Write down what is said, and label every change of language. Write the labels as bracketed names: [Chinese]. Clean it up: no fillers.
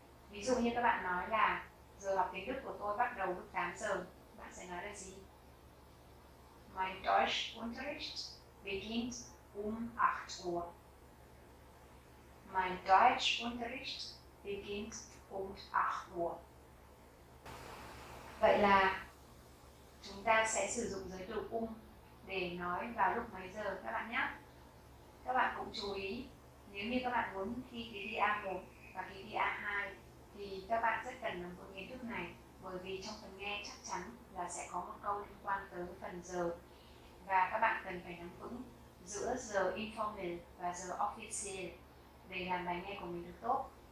[Vietnamese] Ví dụ như các bạn nói là giờ học tiếng Đức của tôi bắt đầu lúc 8 giờ, bạn sẽ nói là gì? [German] Mein Deutschunterricht beginnt 8 Uhr. Mein Deutschunterricht beginnt 8 Uhr. [Vietnamese] Vậy là chúng ta sẽ sử dụng giới từ để nói vào lúc mấy giờ các bạn nhé. Các bạn cũng chú ý, nếu như các bạn muốn thi kỳ thi A1 và kỳ thi A2 thì các bạn rất cần nắm vững kiến thức này, bởi vì trong phần nghe chắc chắn là sẽ có một câu liên quan tới phần giờ, và các bạn cần phải nắm vững giữa giờ informal và giờ official để làm bài nghe của mình được tốt.